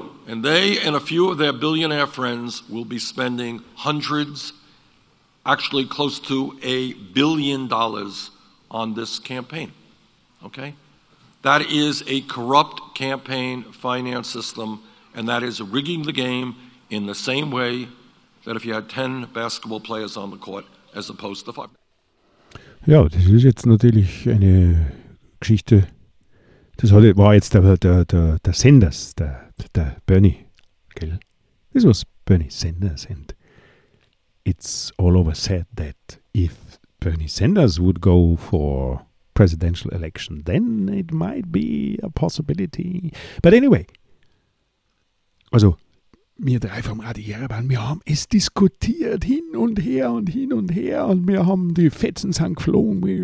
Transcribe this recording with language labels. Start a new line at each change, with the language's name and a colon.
English: And they and a few of their billionaire friends will be spending hundreds, actually close to $1 billion on this campaign, okay? That is a corrupt campaign finance system, and that is rigging the game in the same way that if you had 10 basketball players on the court as opposed to 5.
German: Ja, das ist jetzt natürlich eine Geschichte. Das war jetzt der Sanders, der Bernie, gell?
English: This was Bernie Sanders, and it's all over said that if Bernie Sanders would go for presidential election, then it might be a possibility. But anyway,
German: also, wir drei vom Radio Jerewan, wir haben es diskutiert hin und her und hin und her und wir haben die Fetzen sind geflogen.